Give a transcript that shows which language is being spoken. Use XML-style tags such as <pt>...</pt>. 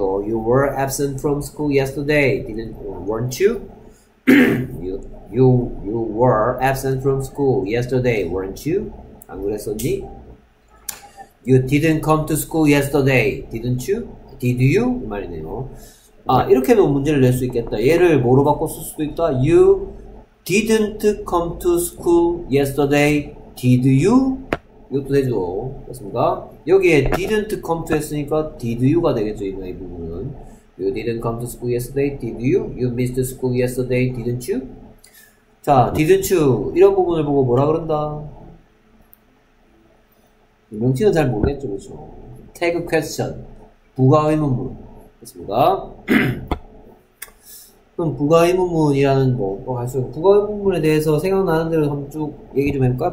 <en>You were absent from school yesterday, weren't you? you were absent from school yesterday, weren't you?</en> <ko>안 그랬었니?</ko> <en>You didn't come to school yesterday, didn't you? Did you?</en> <ko>이 말이네요. 아, 이렇게도 문제를 낼 수 있겠다. 얘를 뭐로 바꿨을 수도 있다.</ko> <en>You didn't come to school yesterday, did you?</en> <ko>이것도 되죠. 맞습니까? 여기에 didn't come to 했으니까</ko> <en>did you</en> <ko>가 되겠죠. 이 부분은.</ko> <en>You didn't come to school yesterday, did you? You missed school yesterday, didn't you? 자, didn't you?</en> <ko>이런 부분을 보고 뭐라 그런다? 명칭은 잘 모르겠죠, 그쵸?</ko> <en>Tag question.</en> <ko>부가의문문. 됐습니다. 그럼 부가의문문이라는 뭐, 할 수 있는 부가의문문에 대해서 생각나는 대로 한번 쭉 얘기 좀 해볼까요?</ko>